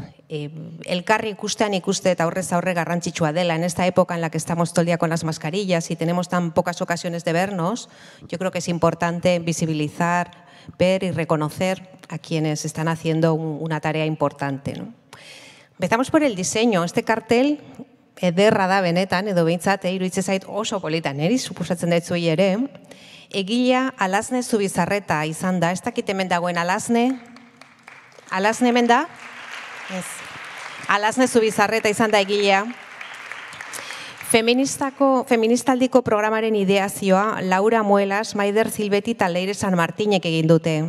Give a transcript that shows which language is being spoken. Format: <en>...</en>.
<eu>Elkarri ikustean ikuste eta aurrez aurre garrantzitsua dela.</eu> <es>En esta época en la que estamos todo el día con las mascarillas y tenemos tan pocas ocasiones de vernos, yo creo que es importante visibilizar, ver y reconocer a quienes están haciendo una tarea importante, ¿no? Empezamos por el diseño. Este cartel</es> <eu>ederra da benetan, edo behintzat, iruditzen zait oso polita, neri suposatzen dut zuei ere. Egilea Alazne Zubizarreta izan da, ez dakit hemen dagoen Alazne. Alazne hemen da? Ez. Alazne Zubizarreta izan da egilea. Feministaldiko programaren ideazioa Laura Muelas, Maider Zilbeti eta Leire San Martinek egin dute.</eu>